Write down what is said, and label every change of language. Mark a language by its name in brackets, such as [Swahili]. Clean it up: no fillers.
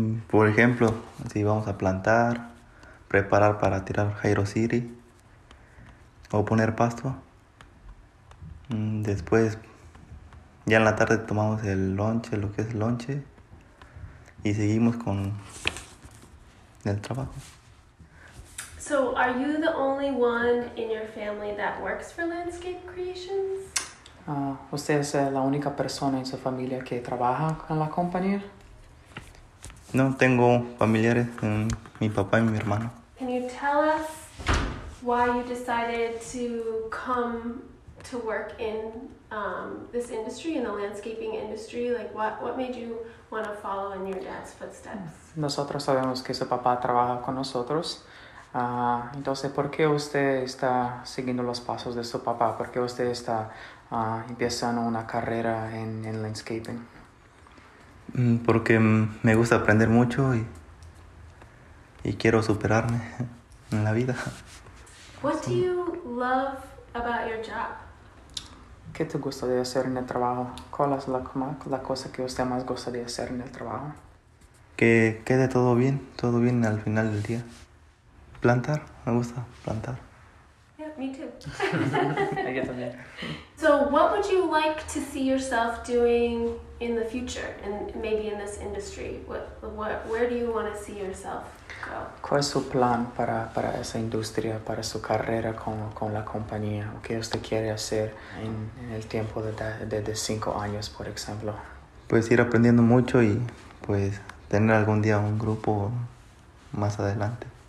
[Spanish] Por ejemplo, si vamos a plantar, preparar para tirar Jairo City o poner pasto. Después, ya en la tarde tomamos el lonche, lo que es lonche, y seguimos con el trabajo. [English] So, are you the only one in your family that works for Landscape Creations? [Spanish] ¿Usted es la única persona en su familia que trabaja con la compañía? No, tengo familiares, mi papá y mi hermano. [English] Can you tell us why you decided to come to work in this industry, in the landscaping industry? Like, what made you want to follow in your dad's footsteps? [Spanish] Nosotros sabemos que su papá trabaja con nosotros. Entonces, ¿por qué usted está siguiendo los pasos de su papá? ¿Por qué usted está empezando una carrera en landscaping? Porque me gusta aprender mucho y quiero superarme en la vida. [English] What do you love about your job? [Spanish] ¿Qué te gusta de hacer en el trabajo? ¿Cuál es la cosa que usted más gusta de hacer en el trabajo? Que quede todo bien al final del día. Plantar, me gusta plantar. [English] Me too. So what would you like to see yourself doing in the future, and maybe in this industry? Where do you want to see yourself go? [Spanish] ¿Cuál es su plan para esa industria, para su carrera con la compañía? ¿Qué usted quiere hacer en el tiempo de 5 años, por ejemplo? Pues ir aprendiendo mucho y pues tener algún día un grupo más adelante.